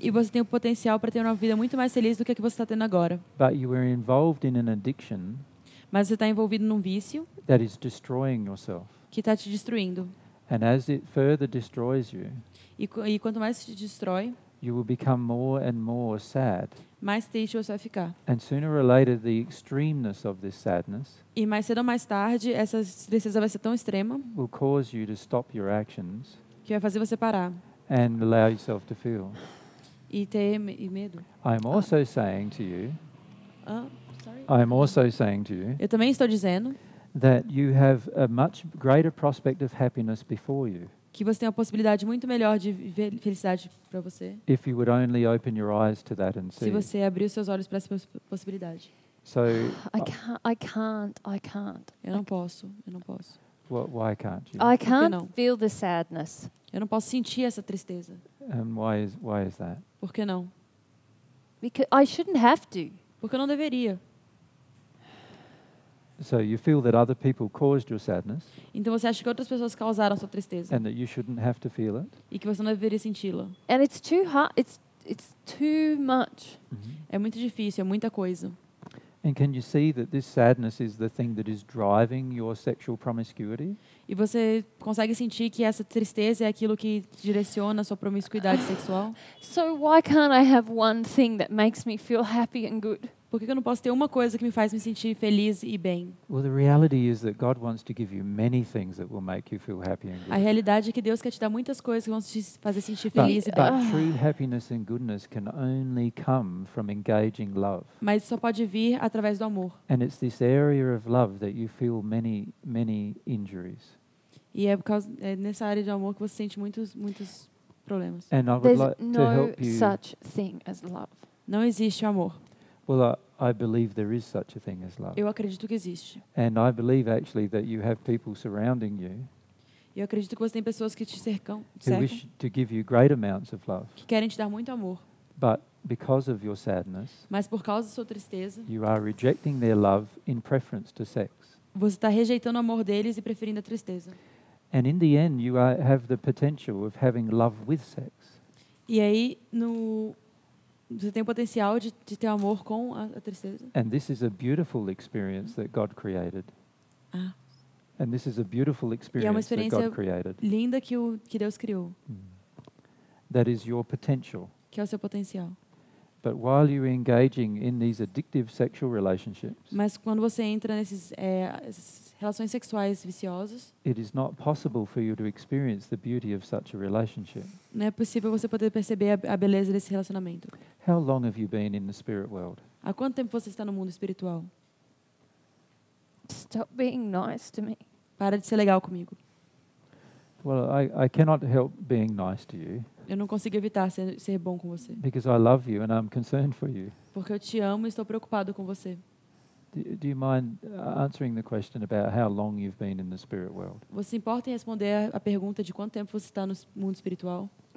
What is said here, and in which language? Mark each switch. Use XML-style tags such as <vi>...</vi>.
<pt>E você tem o potencial para ter uma vida muito mais feliz do que a que você está tendo agora.</pt> <en>But you were involved in an addiction.</en> <pt>Mas você está envolvido num vício</pt> <en>that is destroying yourself.</en> <pt>Que está te destruindo.</pt> <en>And as it further destroys you,</en> <pt>e quanto mais te destrói,</pt> <en>you will become more and more sad.</en> <pt>Mais triste você vai ficar.</pt> <en>And sooner or later, the extremeness of this sadness,</en> <pt>e mais cedo ou mais tarde, essa tristeza vai ser tão extrema,</pt> <en>will cause you to stop your actions,</en> <pt>que vai fazer você parar.</pt> <en>And allow yourself to feel.</en> <pt>E ter medo.</pt> <en>I'm also saying to you, sorry. I'm also saying to you,</en> <pt>eu também estou dizendo,</pt> <en>that you have a much greater prospect of happiness before you.</en> <pt>Que você tem uma possibilidade muito melhor de felicidade para você.</pt> <en>If you would only open your eyes to that and see.</en> <pt>Se você abrir os seus olhos para essa possibilidade.</pt> <en>So I can't.</en> <pt>Eu não posso.</pt> <en>Why can't you? I can't feel the sadness.</en> <pt>Eu não posso sentir essa tristeza.</pt> <en>And why is that?</en> <pt>Por que não?</pt> <en>Because I shouldn't have to.</en> <pt>Porque eu não deveria.</pt> <en>So you feel that other people caused your sadness?</en> <pt>Então você acha que outras pessoas causaram sua tristeza?</pt> <en>And that you shouldn't have to feel it?</en> <pt>E que você não deveria senti-la?</pt> <en>And it's too hard. It's too much. Mm-hmm.</en> <pt>É muito difícil. É muita coisa.</pt> <en>And can you see that this sadness is the thing that is driving your sexual promiscuity?</en> <pt>E você consegue sentir que essa tristeza é aquilo que direciona a sua promiscuidade sexual?</pt> <en>So why can't I have one thing that makes me feel happy and good?</en> <pt>Por que eu não posso ter uma coisa que me faz me sentir feliz e bem?</pt> <en>Well, the reality is that God wants to give you many things that will make you feel happy and good.</en> <pt>A realidade é que Deus quer te dar muitas coisas que vão te fazer sentir feliz e bem.</pt> <en>But true happiness and goodness can only come from engaging love.</en> <pt>Mas só pode vir através do amor.</pt> <en>And it's this area of love that you feel many, many injuries.</en> <pt>E é por causa nessa área de amor que você sente muitos problemas.</pt> <en>And I would like to help you. There's no such thing as love.</en> <pt>Não existe amor.</pt> <en>Well, I believe there is such a thing as love.</en> <pt>Eu acredito que existe.</pt> <en>And I believe actually that you have people surrounding you.</en> <pt>Eu acredito que você tem pessoas que te cercam.</pt> <en>Who wish to give you great amounts of love.</en> <pt>Que querem te dar muito amor.</pt> <en>But because of your sadness.</en> <pt>Mas por causa da sua tristeza.</pt> <en>You are rejecting their love in preference to sex.</en> <pt>Você está rejeitando o amor deles e preferindo a tristeza.</pt> <en>And in the end, you have the potential of having love with sex.</en> <pt>E aí no você tem o potencial de ter amor com a tristeza.</pt> <en>And this is a beautiful experience that God created. Ah. And this is a beautiful experience that God created.</en> <pt>Linda que Deus criou. Mm.</pt> <en>That is your potential.</en> <pt>Que é o seu potencial.</pt> <en>But while you're engaging in these addictive sexual relationships.</en> <pt>Mas quando você entra nesses relações sexuais viciosas.</pt> <en>It is not possible for you to experience the beauty of such a relationship.</en> <pt>Não é possível você poder perceber a beleza desse relacionamento.</pt> <en>How long have you been in the spirit world?</en> <pt>Há quanto tempo você está no mundo espiritual?</pt> <en>Stop being nice to me.</en> <pt>Para de ser legal comigo.</pt> <en>Well, I cannot help being nice to you.</en> <pt>Eu não consigo evitar ser bom com você.</pt> <en>Because I love you and I'm concerned for you.</en> <pt>Porque eu te amo e estou preocupado com você.</pt> <en>Do you mind answering the question about how long you've been in the spirit world?</en> <pt>Você importa em responder a pergunta de quanto tempo você está no mundo espiritual?</pt>